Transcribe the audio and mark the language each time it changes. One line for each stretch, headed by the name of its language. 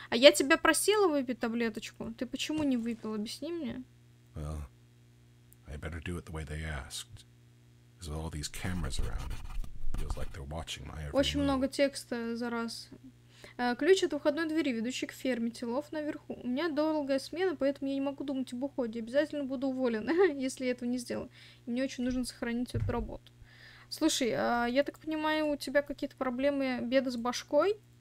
Russian: А я тебя просила выпить таблеточку. Ты почему не выпил? Объясни мне.
English: Well, I better do it the way they asked. With all these cameras around, feels like they're watching my every move.
Russian: Очень много текста за раз. Ключ от входной двери, ведущий к ферме, телов наверху. У меня долгая смена, поэтому я не могу думать об уходе. Обязательно буду уволен, если я этого не сделаю. Мне очень нужно сохранить эту работу. Слушай, я так понимаю, у тебя какие-то проблемы, беды с башкой?